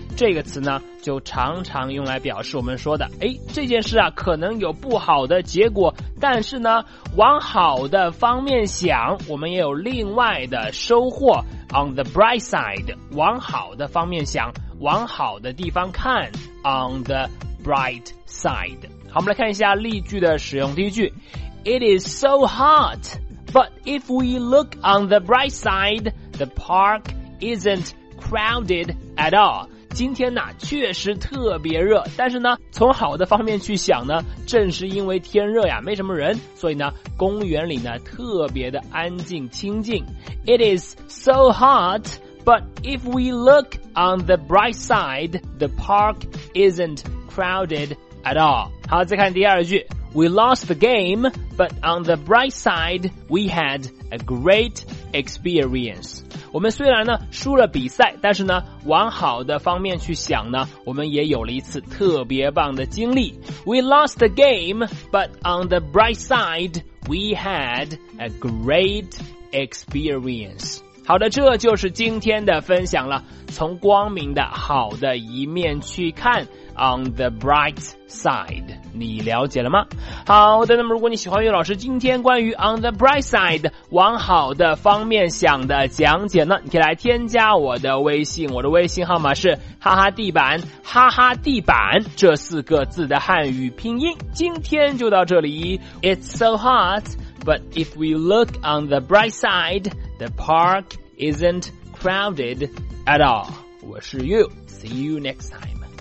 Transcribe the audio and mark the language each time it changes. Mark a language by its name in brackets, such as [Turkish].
[Chinese] 这个词呢就常常用来表示我们说的，诶，这件事啊可能有不好的结果，但是呢往好的方面想，我们也有另外的收获。 [English] On the bright side， [Chinese] 往好的方面想，往好的地方看， On the bright side。好，我们来看一下例句的使用。第一句， [English] It is so hotBut if we look on the bright side, the park isn't crowded at all. [Chinese] 今天呢确实特别热，但是呢从好的方面去想呢，正是因为天热呀没什么人，所以呢公园里呢特别的安静清静。 [English] It is so hot, but if we look on the bright side, the park isn't crowded at all. [Chinese] 好，再看第二句， [English] We lost the game, but on the bright side, we had a great experience. [Chinese] 我们虽然呢输了比赛，但是呢往好的方面去想呢，我们也有了一次特别棒的经历。 [English] We lost the game, but on the bright side, we had a great experience. [Chinese] 好的，这就是今天的分享了，从光明的好的一面去看， [English] On the bright side， [Chinese] 你了解了吗？好的，那么如果你喜欢岳老师今天关于 [English] On the bright side， [Chinese] 往好的方面想的讲解呢，你可以来添加我的微信，我的微信号码是哈哈地板，哈哈地板这四个字的汉语拼音。今天就到这里， [English] It's so hot, but if we look on the bright side, the park isn't crowded at all. [Chinese] 我是 [English] You, see you next time.